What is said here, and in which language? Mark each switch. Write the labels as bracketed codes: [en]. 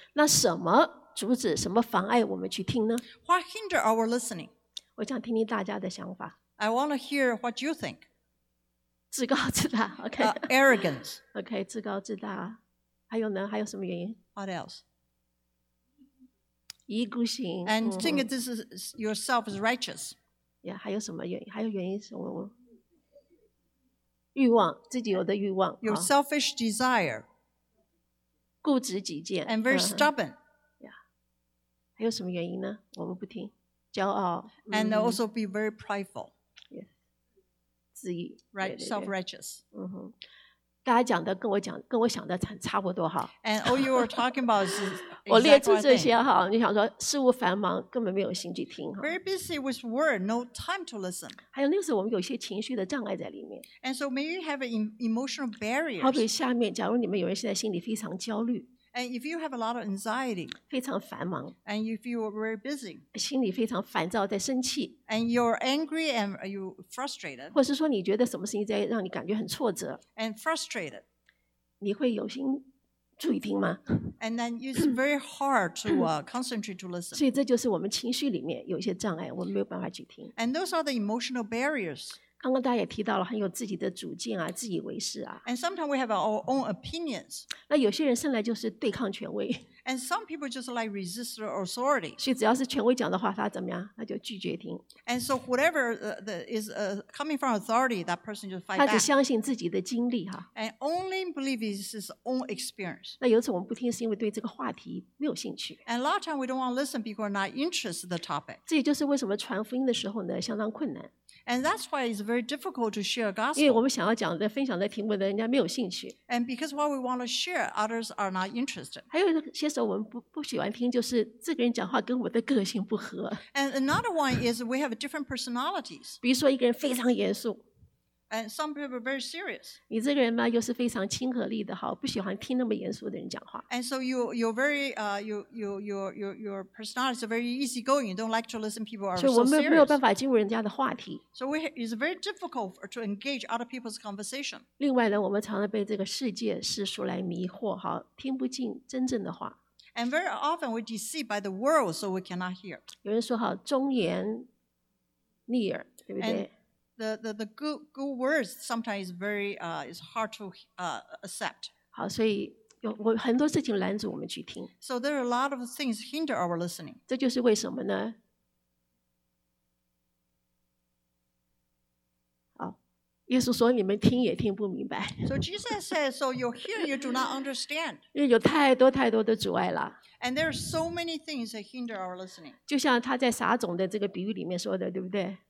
[zh] 那什么阻止、什么妨碍我们去听呢？ [en] What hinder our listening? [zh] 我想听听大家的想法。 [en] I want to hear what you think. [zh] 自高自大 okay. [en] Arrogance. [zh] Okay, 自高自大。还有呢？还有什么原因？ [en] What else? [zh] 一意孤行。 [en] And think this is yourself is righteous. [zh] Yeah, 还有什么原因？还有原因是什么？欲望，自己有的欲望。 [en] Your selfish desire. [zh] 固执己见。 [en] And very stubborn. [zh] Yeah. 还有什么原因呢？我们不听。骄傲。 [en] And also be very prideful. [zh] 自意 [en] right, self-righteous. [zh] 大家讲的跟我想的差不多哈。 [en] And all you are talking about is exactly what I think. [zh] 我列出这些哈，你想说事务繁忙，根本没有心去听哈。 [en] Very busy with work, no time to listen. [zh] 还有那个时候我们有些情绪的障碍在里面。 [en] And so maybe you have an emotional barrier. [zh] 好比下面，假如你们有人现在心里非常焦虑。 [en] And if you have a lot of anxiety, [zh] 非常繁忙 [en] and if you are very busy, [zh] 心里非常烦躁在生气 [en] and you're angry and you're frustrated, [zh] 或是说你觉得什么事情在让你感觉很挫折 [en] and frustrated, [zh] 你会有心注意听吗 [en] And then it's very hard to concentrate to listen. [zh] 所以这就是我们情绪里面有一些障碍，我们没有办法去听 [en] And those are the emotional barriers. [zh] 刚刚大家也提到了很有自己的主见啊，自以为是啊。 [en] And sometimes we have our own opinions. [zh] 那有些人生来就是对抗权威。 [en] And some people just like resist their authority. [zh] 所以只要是权威讲的话，他怎么样，他就拒绝听。 [en] And so whatever is coming from authority, that person just fight back. [zh] 他只相信自己的经历哈。 [en] And only believe his own experience. [zh] 那有时候我们不听，是因为对这个话题没有兴趣。 [en] And a lot of time we don't want to listen because we're not interested in the topic. [zh] 这也就是为什么传福音的时候呢，相当困难。 [en] And that's why it's very difficult to share gospel. [zh] 因为我们想要讲的分享的题目的人家没有兴趣。 [en] And because what we want to share, others are not interested. [zh] 还有一些时候我们 不喜欢听，就是这个人讲话跟我的个性不合。 [en] And another one is we have different personalities. [zh] 比如说一个人非常严肃。 [en] And some people are very serious. [zh] 你这个人嘛，又是非常亲和力的，好，不喜欢听那么严肃的人讲话。 [en] And so you're very, your personality is very easygoing. You don't like to listen to people who are so serious. [zh] 所以我们没有办法进入人家的话题。 [en] So it's very difficult to engage other people's conversation. [zh] 另外呢，我们常常被这个世界世俗来迷惑，好，听不进真正的话。 [en] And very often we're deceived by the world, so we cannot hear. [zh] 有人说好，忠言逆耳，对不对？ [en] The good words sometimes very is hard to accept. [zh] 好，所以有我很多事情拦阻我们去听。 [en] So there are a lot of things hinder our listening. [zh] 这就是为什么呢？好，耶稣说你们听也听不明白。 [en] So Jesus says, so you hear, you do not understand. [zh] 因为有太多太多的阻碍了。 [en] And there are so many things that hinder our listening. [zh] 就像他在撒种的这个比喻里面说的，对不对？